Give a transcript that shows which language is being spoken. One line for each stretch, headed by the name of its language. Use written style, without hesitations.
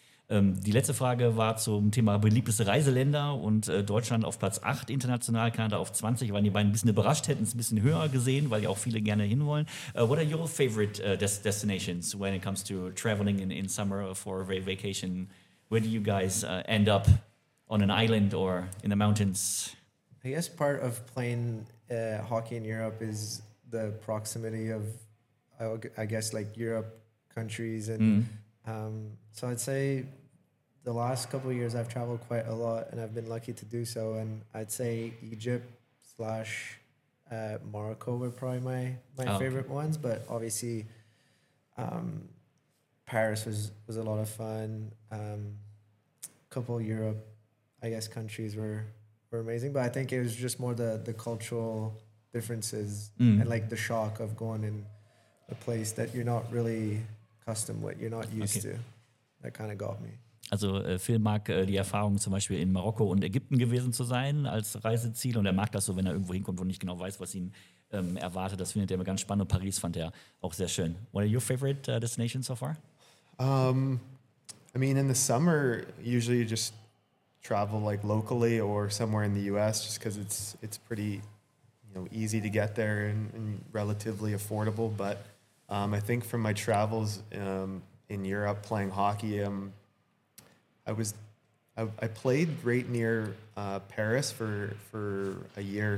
German: Die letzte Frage war zum Thema beliebteste Reiseländer und Deutschland auf Platz 8 international, Kanada auf 20. Waren die beiden ein bisschen überrascht, hätten es ein bisschen höher gesehen, weil ja auch viele gerne hinwollen.
English: What are your favorite destinations when it comes to traveling in summer for a vacation? Where do you guys end up? On an island or in the mountains? I guess part of playing hockey in Europe is the proximity of, I guess, like Europe countries and so I'd say the last couple of years I've traveled quite a lot and I've been lucky to do so. And I'd say Egypt / Morocco were probably my favorite ones. But obviously Paris was a lot of fun. Couple of Europe, I guess, countries were amazing. But I think it was just more the cultural differences and like the shock of going in a place that you're not really custom what you're not used to. That kind of got me.
German: Also Phil mag die Erfahrung zum Beispiel in Marokko und Ägypten gewesen zu sein als Reiseziel und er mag das so, wenn er irgendwo hinkommt und nicht genau weiß, was ihn erwartet. Das findet er immer ganz spannend. Paris fand er auch sehr schön.
English: What are your favorite destinations so far? I mean, in the summer, usually you just travel like locally or somewhere in the US just because it's pretty, you know, easy to get there and relatively affordable. But I think from my travels in Europe playing hockey, I played right near Paris for a year.